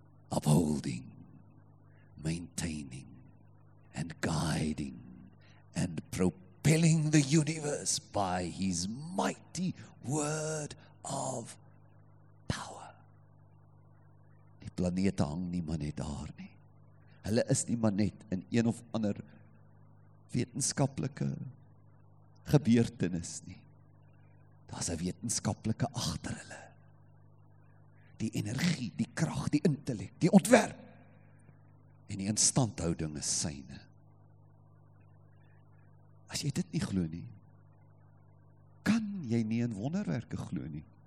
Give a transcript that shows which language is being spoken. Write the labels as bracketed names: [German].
[English] Upholding, maintaining and guiding and propelling the universe by his mighty word of power. [Afrikaans] Die planete hang nie maar net daar nie. Hulle is nie maar net in een of ander wetenskaplike gebeurtenis nie. Daar's 'n wetenskaplike agter hulle. Die energie, die krag, die intellek, die ontwerp en die instandhouding is syne. As jy dit nie glo nie, kan jy nie in wonderwerke glo nie.